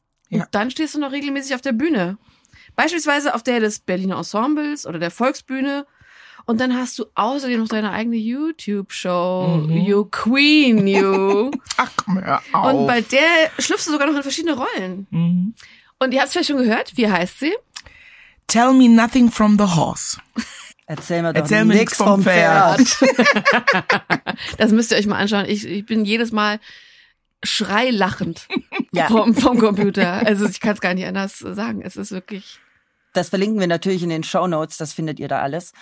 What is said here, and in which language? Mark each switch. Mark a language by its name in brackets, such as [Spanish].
[German] Und dann stehst du noch regelmäßig auf der Bühne. Beispielsweise auf der des Berliner Ensembles oder der Volksbühne. Und dann hast du außerdem noch deine eigene YouTube-Show. [English] You Queen, you. [German] Ach, komm her auf. Und bei der schlüpfst du sogar noch in verschiedene Rollen. Mhm. Und ihr habt es vielleicht schon gehört. Wie heißt sie? [English] Tell me nothing from the horse. [German] Erzähl mir nichts vom Pferd. Das müsst ihr euch mal anschauen. Ich bin jedes Mal schreilachend vom Computer. Also ich kann es gar nicht anders sagen. Es ist wirklich. Das verlinken wir natürlich in den Shownotes, das findet ihr da alles.